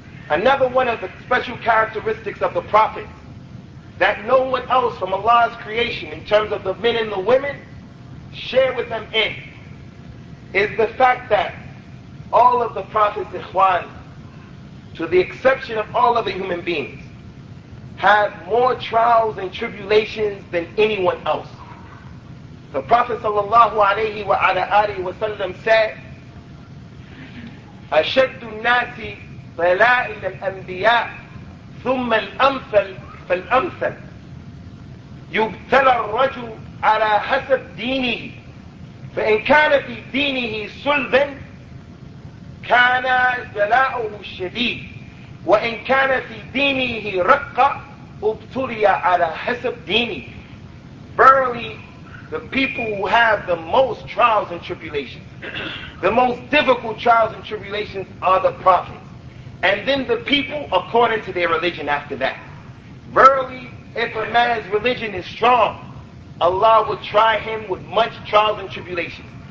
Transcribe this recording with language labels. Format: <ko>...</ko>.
<en>Another one of the special characteristics of the prophets, that no one else from Allah's creation, in terms of the men and the women, share with them in, is the fact that all of the prophets, ikhwan, to the exception of all other human beings, have more trials and tribulations than anyone else. The Prophet</en> <ar>sallallahu alayhi wa ala alihi wa sallam</ar> <en>said,</en> <ar>أَشَدُّ النَّاسِ بَلَاءً لِلْأَنْبِيَاءِ ثُمَّ الْأَمْثَلُ فالأمثل يبتلى الرجل على حسب دينه فإن كان في دينه صلبا كان جلاؤه الشديد وإن كان في دينه رقا ابتلي على حسب دينه.</ar> <en>Verily, the people who have the most trials and tribulations, the most difficult trials and tribulations, are the prophets, and then the people according to their religion after that. Verily, if a man's religion is strong, Allah will try him with much trials and tribulations.</en>